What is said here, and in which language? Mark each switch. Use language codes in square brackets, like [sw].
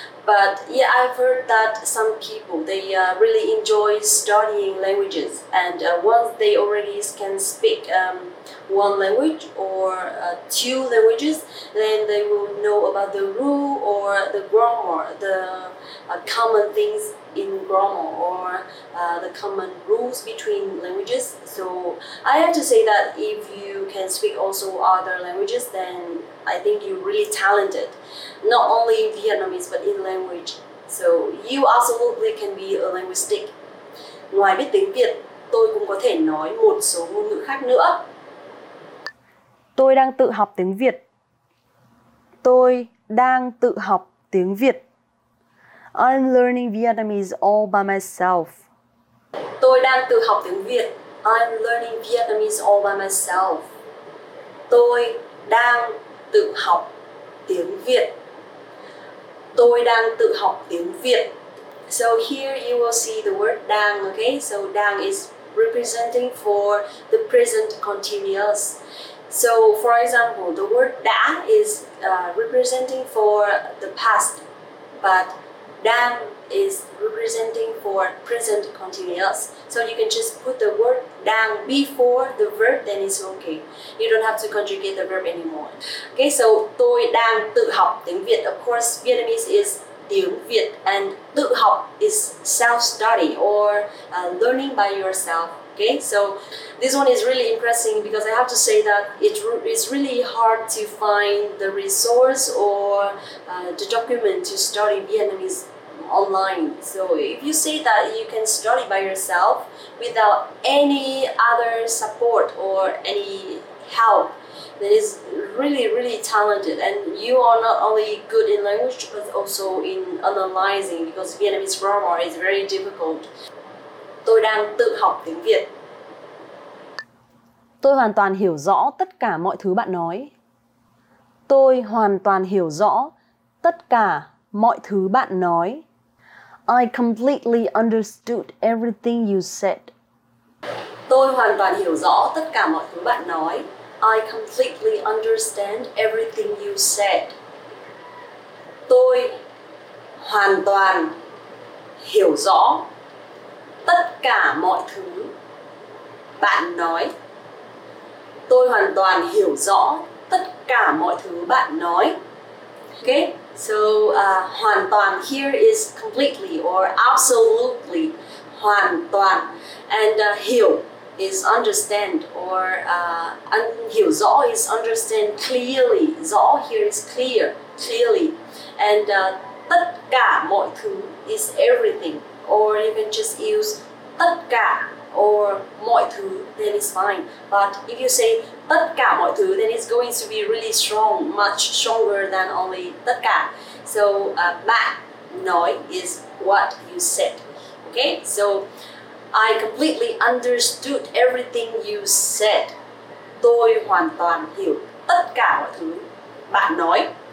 [en] But yeah, I've heard that some people, they really enjoy studying languages, and once they already can speak one language or two languages, then they will know about the rule or the grammar, the common things in grammar or the common rules between languages. So I have to say that if you can speak also other languages, then I think you're really talented, not only in Vietnamese but in language. So you absolutely can be a linguistic. [vi] Ngoài biết tiếng Việt, tôi cũng có thể nói một số ngôn ngữ khác nữa. Tôi đang tự học tiếng Việt. Tôi đang tự học tiếng Việt. [en] I'm learning Vietnamese all by myself. [vi] Tôi đang tự học tiếng Việt. [en] I'm learning Vietnamese all by myself. [vi] tôi đang tự học tiếng Việt. Tôi đang tự học tiếng Việt. [en] So here you will see the word đang, okay? So đang is representing for the present continuous. So for example, the word đã is representing for the past, but đang is representing for present continuous. So you can just put the word đang before the verb, then it's okay. You don't have to conjugate the verb anymore. [vi] Okay, so tôi đang tự học tiếng Việt. [en] Of course, Vietnamese is tiếng Việt, and tự học is self-study or learning by yourself. Okay, so this one is really interesting because I have to say that it's really hard to find the resource or the document to study Vietnamese online. So if you say that you can study by yourself without any other support or any help, then it's really, really talented. And you are not only good in language, but also in analyzing, because Vietnamese grammar is very difficult. [vi] Tôi đang tự học tiếng Việt. Tôi hoàn toàn hiểu rõ tất cả mọi thứ bạn nói. Tôi hoàn toàn hiểu rõ tất cả mọi thứ bạn nói. [en] I completely understood everything you said. [vi] Tôi hoàn toàn hiểu rõ tất cả mọi thứ bạn nói. [en] I completely understand everything you said. [vi] Tôi hoàn toàn hiểu rõ tất cả mọi thứ bạn nói. Tôi hoàn toàn hiểu rõ tất cả mọi thứ bạn nói. [en] Okay, so hoàn toàn here is completely or absolutely. [vi] Hoàn toàn. [en] And hiểu is understand, or hiểu rõ is understand clearly. Rõ here is clear, clearly. And tất cả mọi thứ is everything. Or you can just use tất cả or mọi thứ, then it's fine. But if you say tất cả mọi thứ, then it's going to be really strong, much stronger than only tất cả. So bạn nói is what you said. Okay, so I completely understood everything you said. [vi] Tôi hoàn toàn hiểu tất cả mọi thứ bạn nói.